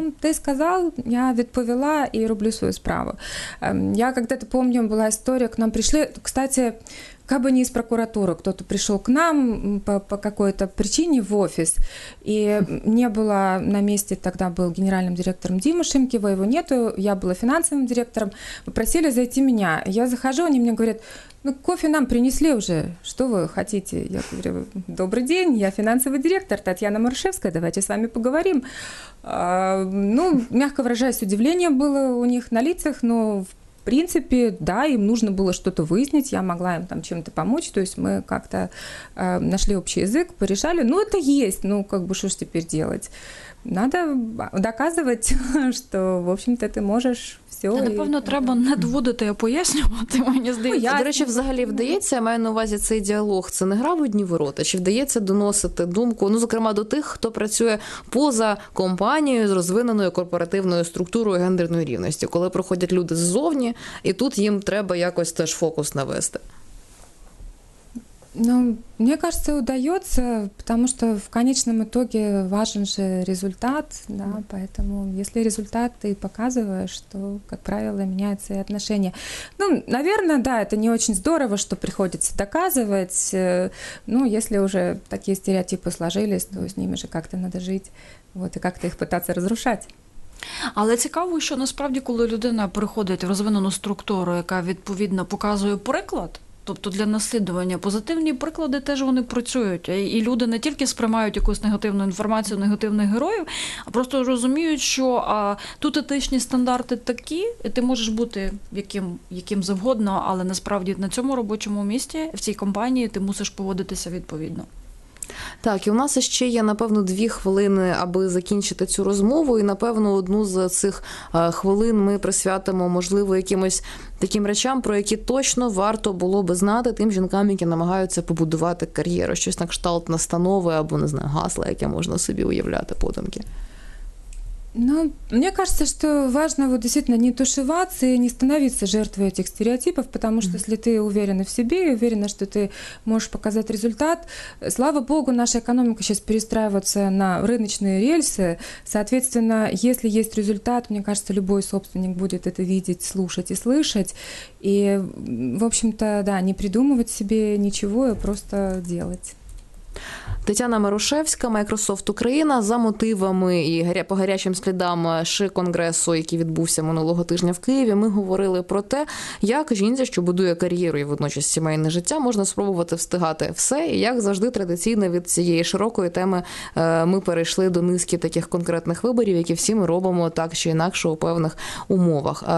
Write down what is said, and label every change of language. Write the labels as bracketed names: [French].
[Ukrainian] Ти сказав, я відповіла і роблю свою справу. [Russian] Я когда-то помню, [Ukrainian] була історія, к нам прийшли, [Russian] кстати, как бы не из прокуратуры, кто-то пришел к нам по какой-то причине в офис, и не было на месте, тогда был генеральным директором Дима Шимкива, его нету, я была финансовым директором, попросили зайти меня. Я захожу, они мне говорят, кофе нам принесли уже, что вы хотите? Я говорю, добрый день, я финансовый директор Татьяна Марушевская, давайте с вами поговорим. Мягко выражаясь, удивление было у них на лицах, но в принципе, да, им нужно было что-то выяснить, я могла им там чем-то помочь, то есть мы как-то нашли общий язык, порешали, это есть, что ж теперь делать? надо доказывать, что, в общем-то, [Ukrainian] ти можеш все. Та, напевно, і... треба надводити, а пояснювати, мені здається. До речі, взагалі вдається, я маю на увазі цей діалог, це не гра в одні ворота, чи вдається доносити думку, ну, зокрема, до тих, хто працює поза компанією з розвиненою корпоративною структурою гендерної рівності, коли проходять люди ззовні, і тут їм треба якось теж фокус навести. [Russian] Ну, мне кажется, удается, потому что в конечном итоге важен же результат, да, поэтому если результат ты показываешь, то, как правило, меняются и отношения. Ну, наверное, да, это не очень здорово, что приходится доказывать, ну, если уже такие стереотипы сложились, то с ними же как-то надо жить, вот, и как-то их пытаться разрушать. [Ukrainian] Але цікаво, що насправді, коли людина приходить в розвинену структуру, яка відповідно показує приклад, тобто для наслідування позитивні приклади теж вони працюють. І люди не тільки сприймають якусь негативну інформацію негативних героїв, а просто розуміють, що тут етичні стандарти такі, і ти можеш бути яким завгодно, але насправді на цьому робочому місці, в цій компанії, ти мусиш поводитися відповідно. Так, і у нас ще є, напевно, 2 хвилини, аби закінчити цю розмову, і, напевно, одну з цих хвилин ми присвятимо, можливо, якимось таким речам, про які точно варто було би знати тим жінкам, які намагаються побудувати кар'єру, щось на кшталт настанови або, не знаю, гасла, яке можна собі уявляти подумки. [Russian] Ну, мне кажется, что важно вот действительно не тушеваться и не становиться жертвой этих стереотипов, потому что если ты уверена в себе и уверена, что ты можешь показать результат, слава богу, наша экономика сейчас перестраивается на рыночные рельсы, соответственно, если есть результат, мне кажется, любой собственник будет это видеть, слушать и слышать, и, в общем-то, да, не придумывать себе ничего, а просто делать. [Ukrainian] Тетяна Марушевська, Microsoft Україна, за мотивами і по гарячим слідам ШИ-конгресу, який відбувся минулого тижня в Києві, ми говорили про те, як жінці, що будує кар'єру і водночас сімейне життя, можна спробувати встигати все, і як завжди традиційно від цієї широкої теми ми перейшли до низки таких конкретних виборів, які всі ми робимо так чи інакше у певних умовах.